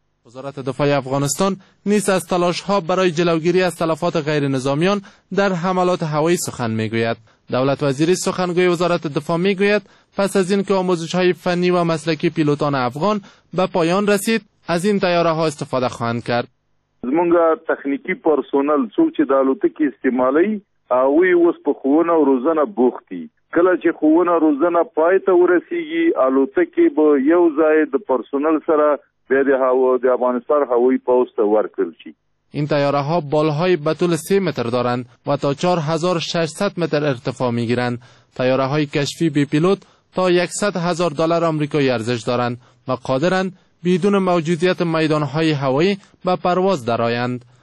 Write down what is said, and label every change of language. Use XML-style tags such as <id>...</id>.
<fa>وزارت دفاع افغانستان نیز از تلاش‌ها برای جلوگیری از تلفات غیر نظامیان در حملات هوایی سخن می‌گوید. دولت وزیری سخنگوی وزارت دفاع می‌گوید پس از اینکه آموزش‌های فنی و مسلکی پیلوتان افغان به پایان رسید، از این طیاره‌ها استفاده خواهند کرد.</fa> <ps>زمونږ تخنیکی پرسونل څوک چې د الوتکې استعمالوي، هغوی اوس په ښوونه او روزنه بوختي. کله چې ښوونه او روزنه پای ته ورسیږي، الوتکې به یو ځای د پرسونل سره بیا د افغانستان هوایي پوځ ته ورکړل شي.</ps> <fa>این تیاره ها بالهای به طول 3 متر دارند و تا 4600 متر ارتفاع می گیرند. تیاره های کشفی بی پیلوت تا 100,000 دلار آمریکایی ارزش دارند و قادرند بدون موجودیت میدان های هوایی به پرواز درآیند.</fa>